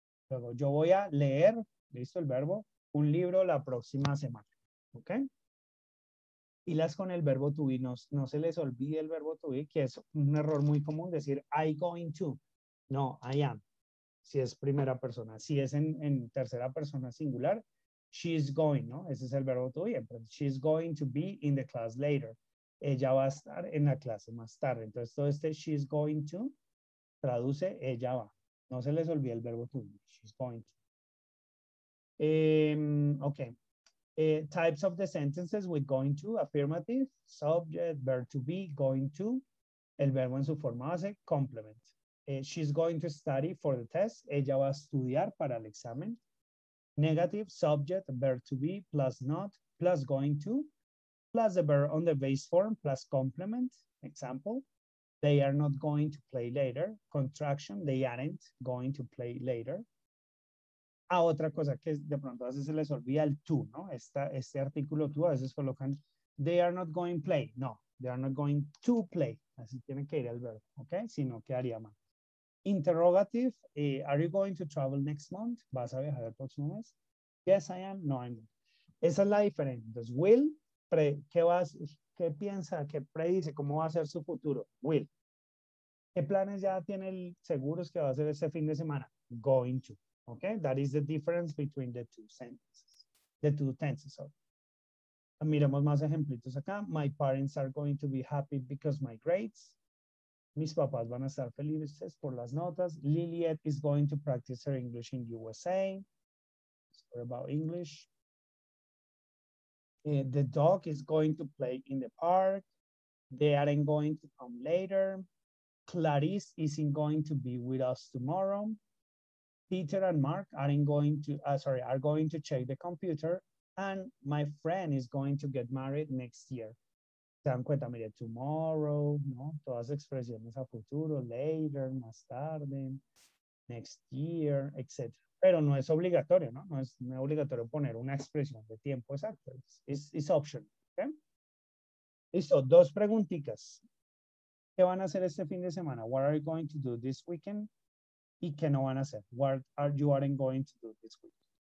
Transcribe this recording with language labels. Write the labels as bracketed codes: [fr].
[es] Luego yo voy a leer, listo el verbo, un libro la próxima semana. Ok. Y las con el verbo to be, no se les olvide el verbo to be, que es un error muy común decir [en] I going to. [es] No, [en] I am. [es] Si es primera persona. Si es en tercera persona singular, [en] she's going, [es] ¿no? Ese es el verbo to be. [en] But she's going to be in the class later. [es] Ella va a estar en la clase más tarde. Entonces, todo este [en] she's going to [es] traduce ella va. No se les olvide el verbo to be. [en] She's going to. [es] Ok. [en] Types of the sentences with going to, affirmative, subject, verb to be, going to, [es] el verbo en su forma base, [en] complement. She's going to study for the test, [es] ella va a estudiar para el examen. [en] Negative, subject, verb to be, plus not, plus going to, plus the verb on the base form, plus complement, example. They are not going to play later, contraction, they aren't going to play later. [es] Ah, otra cosa que de pronto a veces se les olvida el to, ¿no? Este artículo to a veces colocan, [en] they are not going play. [es] No, [en] They are not going to play. [es] Así tiene que ir el verbo, ¿ok? Sino que haría más. [en] Interrogative, are you going to travel next month? [es] ¿Vas a viajar el próximo mes? [en] Yes, I am. No, I'm not. [es] Esa es la diferencia. Entonces, will, pre, ¿qué vas, qué piensa, qué predice, cómo va a ser su futuro? Will. ¿Qué planes ya tiene el seguro que va a hacer ese fin de semana? [en] Going to. ¿Ok? That is the difference between the two sentences. The two tenses, sorry. [es] Miremos más ejemplitos acá. [en] My parents are going to be happy because my grades. [es] Mis papás van a estar felices por las notas. [en] Lilliet is going to practice her English in USA. Sorry about English. The dog is going to play in the park. They aren't going to come later. Clarice isn't going to be with us tomorrow. Peter and Mark are going to check the computer. And my friend is going to get married next year. [es] Se dan cuenta, mire, tomorrow, ¿no? Todas expresiones a futuro, later, más tarde, [en] next year, [es] etc. Pero no es obligatorio, ¿no? No es obligatorio poner una expresión de tiempo exacto. [en] It's optional, [es] ¿ok? Listo, dos preguntitas. ¿Qué van a hacer este fin de semana? [en] What are you going to do this weekend? [es] ¿Y qué no van a hacer? [en] What are you aren't going to do this weekend?